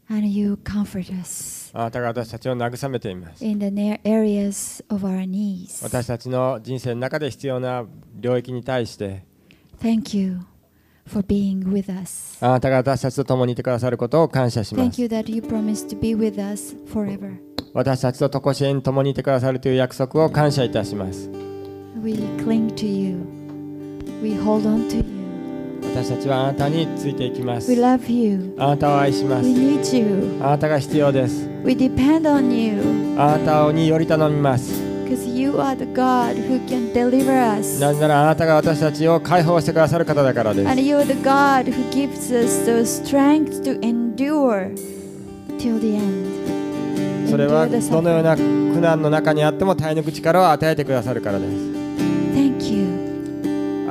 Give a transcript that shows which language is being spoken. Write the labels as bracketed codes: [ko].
[en] And you comfort us, [ja] あなたが私たちを慰めています、 [en] In the areas of our needs, [ja] 私たちの人生の中で必要な領域に対して、 [en] Thank you. For being with us. [ja] あなたが私たちと共にいてくださることを感謝します。 [en] Thank you that you promised to be with us forever. [ja] 私たちと常しえに共にいてくださるという約束を感謝いたします。 [en] We cling to you. We hold on to you. [ja] 私たちはあなたについていきます。 [en] We love you. [ja] あなたを愛します。 [en] We need you. [ja] あなたが必要です。 [en] We depend on you. [ja] あなたにより頼みます。 [en] Because you are the God who can deliver us. [ja] なぜならあなたが私たちを解放してくださる方だからです。 [en] And you are the God who gives us the strength to endure till the end. [ja] それはどのような苦難の中にあっても耐え抜く力を与えてくださるからです。 [en] Thank you.